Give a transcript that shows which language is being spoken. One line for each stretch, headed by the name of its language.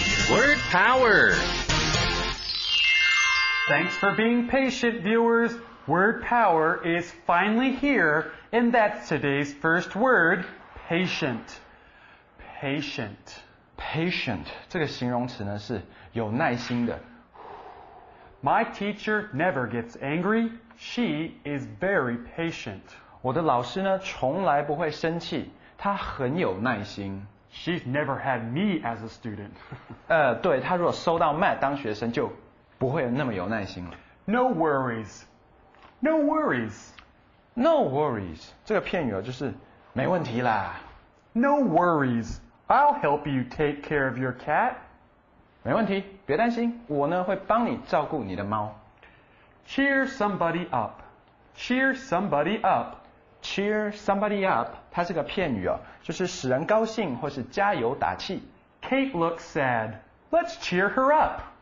English: Word power! Thanks for being patient, viewers. Word power is finally here, and that's today's first word, patient. Patient. Patient.
Chinese: 这个形容词呢是有耐心的。
English: My teacher never gets angry. She is very patient.
Chinese: 我的老师呢从来不会生气。她很有耐心。
English: She's never had me as a student.
Chinese: 对她如果收到 Matt 当学生就不会那么有耐心了。
English: No worries. No worries. No worries.
Chinese: 这个片语就是没问题啦。
English: No worries. I'll help you take care of your cat.
Chinese: 没问题，别担心，我呢会帮你照顾你的猫。
English: Cheer somebody up. Cheer somebody up. Cheer somebody up.
Chinese: 它是个片语哦，就是使人高兴或是加油打气。
English: Kate looks sad. Let's cheer her up.